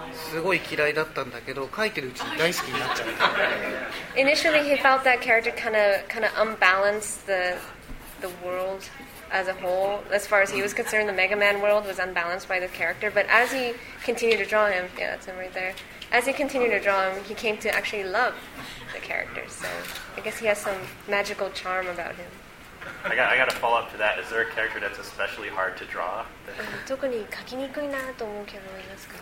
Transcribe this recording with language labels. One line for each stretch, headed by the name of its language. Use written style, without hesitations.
Japanese: すごい嫌いだったんだけど、書いてるうちに大好きになっちゃった。
English: Initially, he felt that character kind of unbalanced the world as a whole. As far as he was concerned, the Mega Man world was unbalanced by the character. But as he continued to draw him, yeah, that's him right there. As he continued to draw him, he came to actually love the character. So I guess he has some magical charm about him. I got a follow up to that. Is there a character that's especially hard to draw?
Japanese: 特に書きにくいなと思うキャラはいますか?